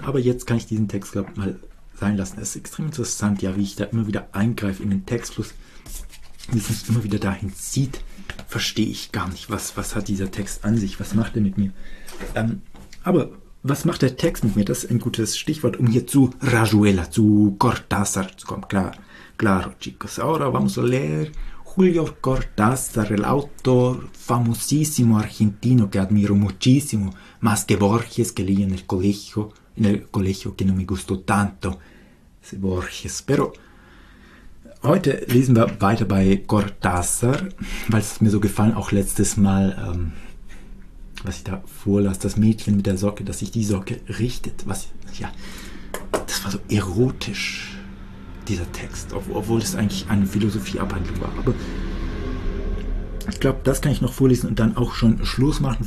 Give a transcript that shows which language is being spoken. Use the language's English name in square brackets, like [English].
[German] Aber jetzt kann ich diesen Text, glaube ich, mal sein lassen. Es ist extrem interessant, ja, wie ich da immer wieder eingreife in den Textfluss, wie es mich immer wieder dahin zieht. Verstehe ich gar nicht. Was hat dieser Text an sich? Was macht er mit mir? Aber was macht der Text mit mir? Das ist ein gutes Stichwort, um hier zu Rajuela, zu Cortázar zu kommen. Klar, [Spanish] claro, chicos. Ahora vamos a leer. Julio Cortázar, el autor famosísimo argentino que admiro muchísimo, más que Borges, que leí en el colegio que no me gustó tanto, ese Borges. Pero [German] heute lesen wir weiter bei Cortázar, weil es mir so gefallen, auch letztes Mal, was ich da vorlas, das Mädchen mit der Socke, dass sich die Socke richtet, was, ja, das war so erotisch. Dieser Text, obwohl es eigentlich eine Philosophieabhandlung war. Aber ich glaube, das kann ich noch vorlesen und dann auch schon Schluss machen.